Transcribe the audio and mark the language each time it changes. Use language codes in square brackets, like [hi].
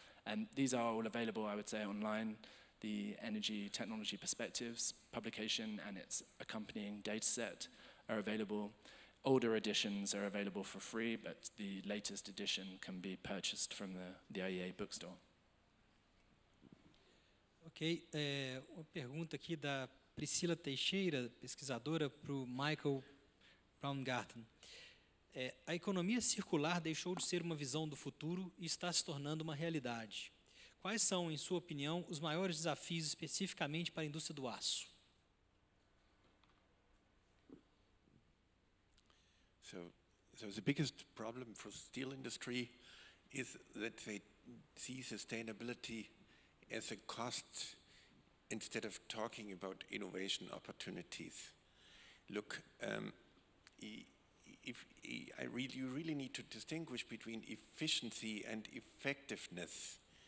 [en] And these are all available, I would say, online, the Energy Technology Perspectives publication and its accompanying data set are available. Older editions are available for free, but the latest edition can be purchased from the IEA bookstore. Ok. [pt] Uma pergunta aqui da Priscila Teixeira, pesquisadora, para o Michael Braungart. A economia circular deixou de ser uma visão do futuro e está se tornando uma realidade. Quais são, em sua opinião, os maiores desafios especificamente para a indústria do aço? [en] So the biggest problem for the steel industry is that they see sustainability as a cost instead of talking about innovation opportunities. Look, you really need to distinguish between efficiency and effectiveness.